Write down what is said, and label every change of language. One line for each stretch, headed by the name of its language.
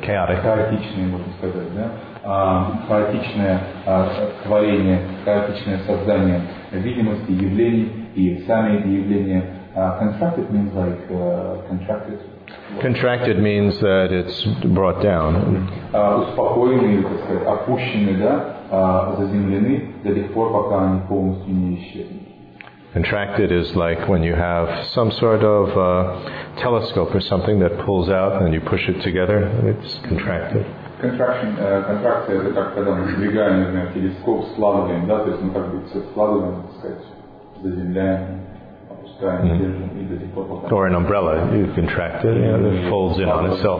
Russian: Хаотичное, можно сказать, да. Хаотичное творение, хаотичное создание видимости, явлений, и сами эти явления.
English: Contracted means like contracted. Contracted means that it's brought down.
Russian: Успокоенные, так сказать, опущенные, да, заземлены до тех пор, пока они полностью не исчезнут.
English: Contracted is like when you have some sort of telescope or something that pulls out and you push it together. It's contracted.
Russian: Контракция это как когда мы сдвигаем, например, телескоп, складываем, да, то есть мы как бы все складываем, так сказать, заземляем. Mm-hmm.
English: Or an umbrella, you contract it, you know, it folds in on itself.